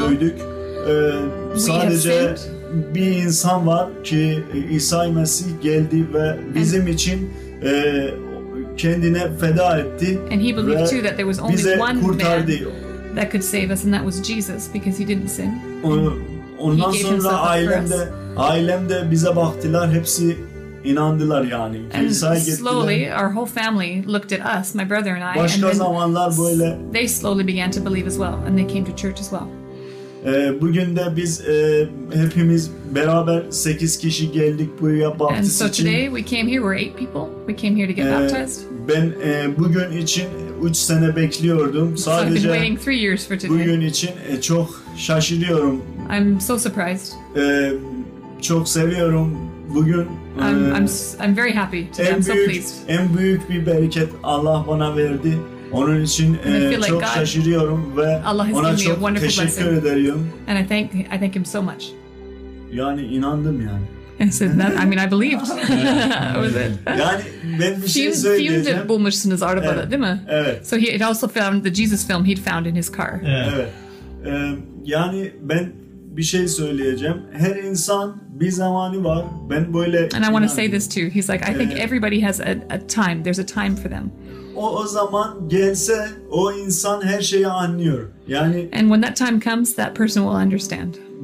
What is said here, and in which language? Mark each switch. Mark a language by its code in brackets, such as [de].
[tr] duyduk, sadece bir insan var ki İsa Mesih geldi ve bizim için kendine feda etti. [en] And he believed too that there was only one man that could save us, and that was Jesus, because he didn't sin. [tr] Ondan sonra ailemde bize baktılar, hepsi inandılar yani. [en] And slowly, our whole family looked at us, my brother and I. [tr] Başka zamanlar böyle. [en] They slowly began to believe as well, and they came to church as well. [tr] Bugün de biz hepimiz beraber 8 kişi geldik buraya baptist için. [en] And so today we came here. We're 8 people. We came here to get baptized. [tr] Ben bugün için 3 sene bekliyordum. Sadece. [en] So I've been waiting 3 years for today. [tr] Bugün için çok şaşırıyorum. [en] I'm so surprised. [tr] Çok seviyorum bugün. [en] I'm very happy today. I'm so pleased. [tr] En büyük bir bereket Allah bana verdi. Onun için çok şaşırıyorum ve ona çok teşekkür ederim. [en] And I thank him so much. [tr] Yani inandım yani. [en] I said that. I mean, I believed. [tr] Yani ben bir şey söyleyeceğim. Fumed bulmuşsunuz arabada, evet, değil mi? Evet. [en] So he had also found the Jesus film he'd found in his car. [tr] Evet. Yani ben bir şey söyleyeceğim. Her insan bir zamanı var. Ben böyle. [en] And I want to say this too. He's like, I think everybody has a time. There's a time for them. [tr] O zaman gelse, o insan her şeyi anlıyor. Yani. [en] And when that time comes, that person will understand.